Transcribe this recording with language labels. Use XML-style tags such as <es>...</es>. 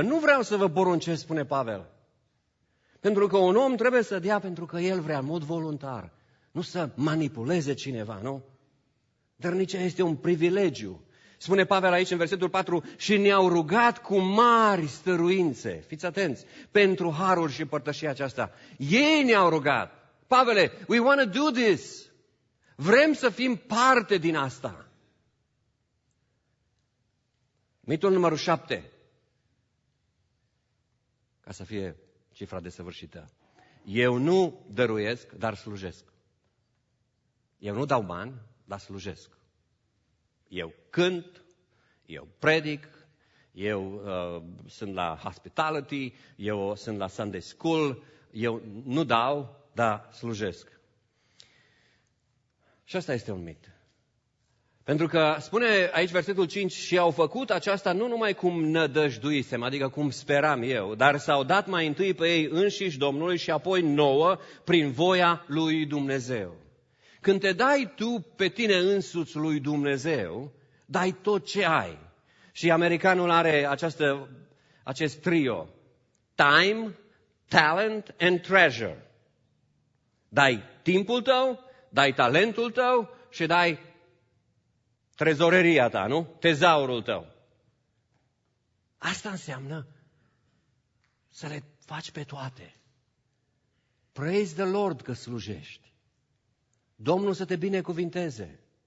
<ro>Nu vreau să vă poruncesc, spune Pavel. Pentru că un om trebuie să dea pentru că el vrea, în mod voluntar. Nu să manipuleze cineva, nu? Dărnicia este un privilegiu. Spune Pavel aici în versetul 4, și ne-au rugat cu mari stăruințe, fiți atenți, pentru harul și părtășia aceasta. Ei ne-au rugat.</ro> <en>Pavele, we want to do this.</en> <ro>Vrem să fim parte din asta. Mitul numărul 7. Ca să fie cifra desăvârșită. Eu nu dăruiesc, dar slujesc. Eu nu dau bani, dar slujesc. Eu cânt, eu predic, eu sunt la hospitality, eu sunt la Sunday school, eu nu dau, dar slujesc. Și asta este un mit. Pentru că spune aici versetul 5, și au făcut aceasta nu numai cum nădăjduisem, adică cum speram eu, dar s-au dat mai întâi pe ei înșiși Domnului și apoi nouă prin voia lui Dumnezeu. Când te dai tu pe tine însuți lui Dumnezeu, dai tot ce ai. Și americanul are acest trio.</ro> <en>Time, talent and treasure.</en> <ro>Dai timpul tău, dai talentul tău și dai trezoreria ta, nu? Tezaurul tău. Asta înseamnă să le faci pe toate.</ro> <en>Praise the Lord</en> <ro>că slujești. Domnul să te binecuvinteze.</ro>